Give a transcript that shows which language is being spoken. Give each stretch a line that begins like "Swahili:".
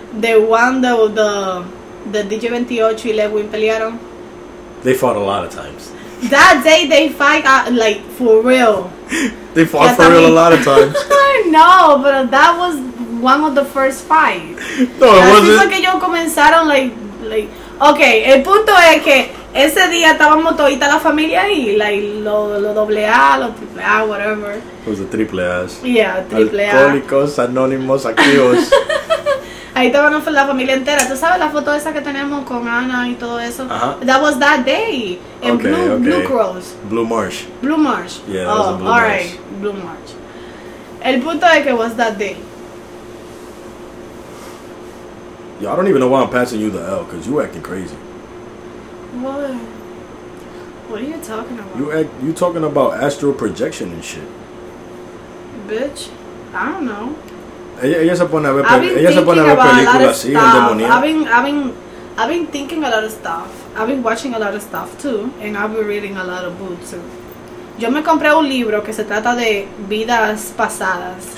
English: The one that the DJ 28 y Lewin pelearon. They fought a lot of times. That day they fight like for real. They fought for real a lot of times. No, but that was one of the first fights. No, it wasn't.
Spanish: Así fue que ellos comenzaron
English: like okay.
Spanish: El punto es que ese día estábamos todita la familia y like lo doble A, lo triple A, whatever.
English: It was the triple A's. Yeah, triple A.
Spanish: Alcohólicos anónimos activos. Ahí estábamos la familia entera. ¿Tú sabes la foto esa que tenemos con Ana y todo eso? Uh-huh.
English: That was that day. In okay, Blue, okay. Blue Cross. Blue Marsh. Blue Marsh. Yeah, that was a Blue Marsh. Alright,
Spanish: Blue Marsh. El punto es que
English: was that day. Yo, I don't even know why I'm passing you the L, because you acting crazy. What? What are you talking about? You talking about astral projection and shit. Bitch, I don't know. I've been thinking a lot of stuff. I've been watching a lot of stuff too. And I've been reading a lot of books.
Spanish: Yo me compré un libro que se trata de vidas pasadas.